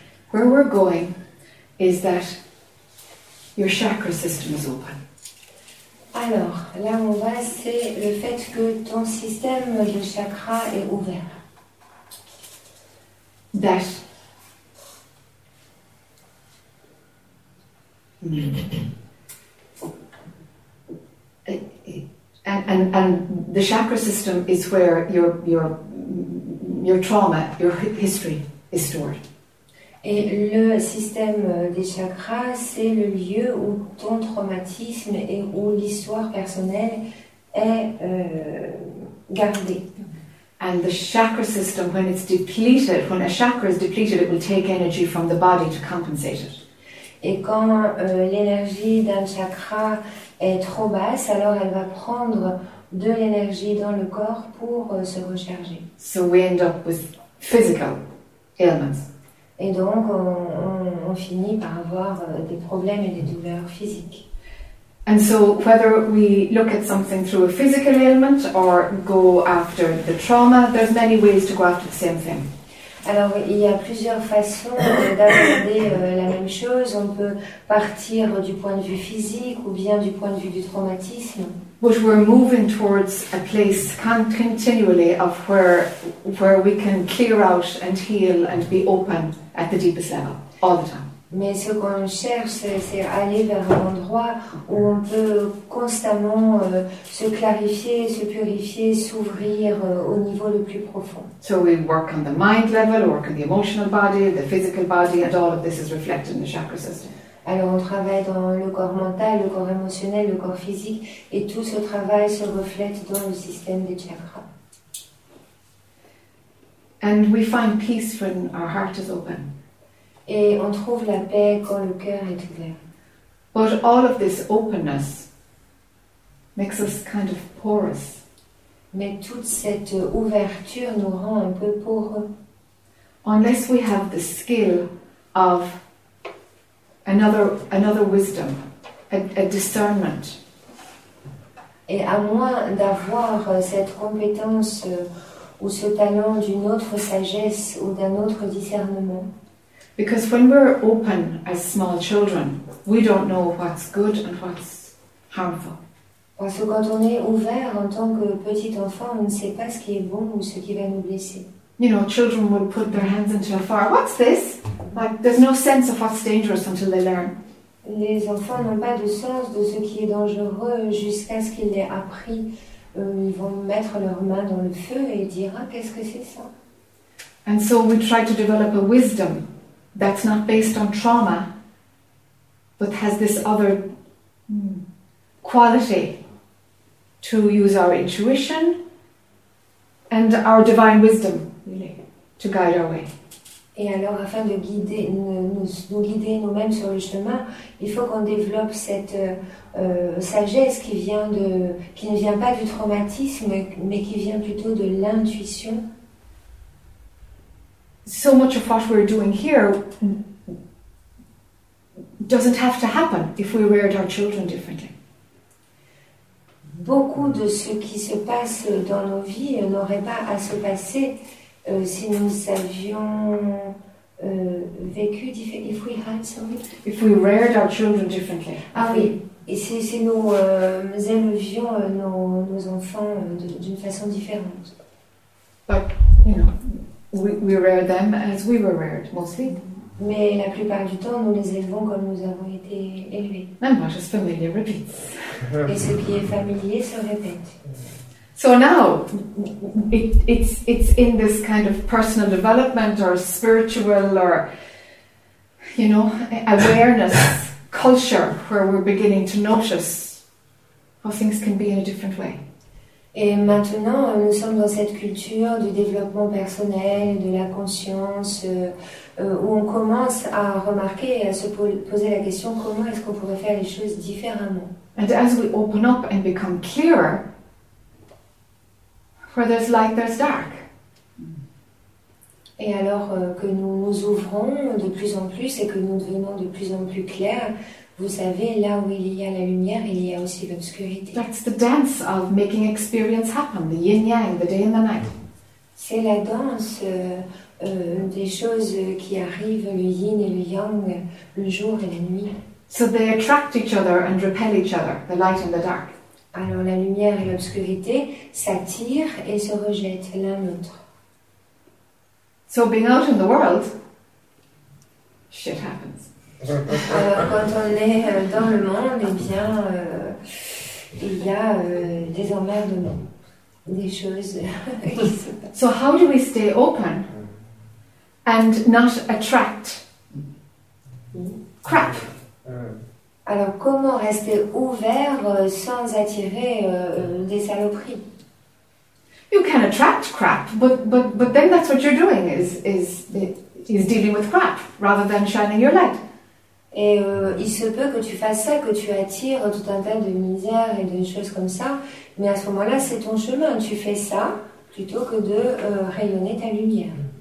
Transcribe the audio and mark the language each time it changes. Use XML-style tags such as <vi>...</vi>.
<en>Where we're going is that your chakra system is open.</en> <fr>Alors, là où on va, c'est le fait que ton système de chakra est ouvert.</fr> <en>That. And the chakra system is where your trauma, your history is stored.</en> <fr>Et le système des chakras, c'est le lieu où ton traumatisme et où l'histoire personnelle est gardée.</fr> <en>And the chakra system, when it's depleted, when a chakra is depleted, it will take energy from the body to compensate it.</en> <fr>Et quand l'énergie d'un chakra est trop basse, alors elle va prendre de l'énergie dans le corps pour se recharger.</fr> <en>So we end up with physical ailments.</en> <fr>Et donc, on finit par avoir des problèmes et des douleurs physiques.</fr> <en>And so, whether we look at something through a physical ailment or go after the trauma, there's many ways to go after the same thing.</en> <fr>Alors, il y a plusieurs façons d'aborder la même chose. On peut partir du point de vue physique ou bien du point de vue du traumatisme.</fr> <en>But we're moving towards a place continually of where we can clear out and heal and be open at the deepest level, all the time.</en> <fr>Mais ce qu'on cherche, c'est aller vers un endroit où on peut constamment se clarifier, se purifier, s'ouvrir au niveau le plus profond.</fr> <en>So we work on the mind level, we work on the emotional body, the physical body, and all of this is reflected in the chakra system.</en> <fr>Alors on travaille dans le corps mental, le corps émotionnel, le corps physique, et tout ce travail se reflète dans le système des chakras.</fr> <en>And we find peace when our heart is open.</en> <fr>Et on trouve la paix quand le cœur est ouvert.</fr> <en>But all of this openness makes us kind of porous.</en> <fr>Mais toute cette ouverture nous rend un peu poreux.</fr> <en>Unless we have the skill of another wisdom, a discernment.</en> <fr>Et à moins d'avoir cette compétence ou ce talent d'une autre sagesse ou d'un autre discernement.</fr> <en>Because when we're open as small children, we don't know what's good and what's harmful.</en> <fr>Parce que quand on est ouvert en tant que petit enfant, on ne sait pas ce qui est bon ou ce qui va nous blesser.</fr> <en>You know, children would put their hands into a fire. What's this? Like, there's no sense of what's dangerous until they learn.</en> <fr>Les enfants n'ont pas de sens de ce qui est dangereux jusqu'à ce qu'ils l'aient appris. Ils vont mettre leurs mains dans le feu et dire, ah, qu'est-ce que c'est ça?</fr> <en>And so we try to develop a wisdom that's not based on trauma, but has this other quality to use our intuition and our divine wisdom to guide our way.</en> <fr>Et alors, afin de guider, nous guider nous-mêmes sur le chemin, il faut qu'on développe cette sagesse qui ne vient pas du traumatisme, mais qui vient plutôt de l'intuition.</fr> <en>So much of what we're doing here doesn't have to happen if we reared our children differently.</en> <fr>Beaucoup de ce qui se passe dans nos vies n'aurait pas à se passer si nous avions vécu</fr> <en>if we had something. If we reared our children differently.</en> <fr>Ah oui, et si nous élevions nos enfants d'une façon différente.</fr> <en>But, we rear them as we were reared, mostly.</en> <fr>Mais la plupart du temps, nous les élevons comme nous avons été élevés.</fr> <en>And what is familiar repeats.</en> <fr>Et ce qui est familier se répète.</fr> <en>So now, it's in this kind of personal development or spiritual or, you know, awareness culture where we're beginning to notice how things can be in a different way.</en> <fr>Et maintenant, nous sommes dans cette culture du développement personnel, de la conscience, où on commence à remarquer et à se poser la question comment est-ce qu'on pourrait faire les choses différemment.</fr> <en>And as we open up and become clearer, where there's light, there's dark.</en> <fr>Et alors que nous nous ouvrons de plus en plus et que nous devenons de plus en plus clairs, vous savez, là où il y a la lumière, il y a aussi l'obscurité.</fr> <en>That's the dance of making experience happen, the yin-yang, the day and the night.</en> <fr>C'est la danse des choses qui arrivent, le yin et le yang, le jour et la nuit.</fr> <en>So they attract each other and repel each other, the light and the dark.</en> <fr>Alors la lumière et l'obscurité s'attirent et se rejettent l'un l'autre.</fr> <en>So being out in the world, shit happens.</en> <fr>Quand on est dans le monde, eh bien, il y a des emmerdements, des choses.</fr> <en>So how do we stay open and not attract crap?</en> <fr>Alors comment rester ouvert sans attirer des saloperies?</fr> <en>You can attract crap, but then that's what you're doing is dealing with crap rather than shining your light.</en> <fr>Et il se peut que tu fasses ça, que tu attires tout un tas de misères et de choses comme ça, mais à ce moment-là, c'est ton chemin. Tu fais ça plutôt que de rayonner ta lumière.</fr>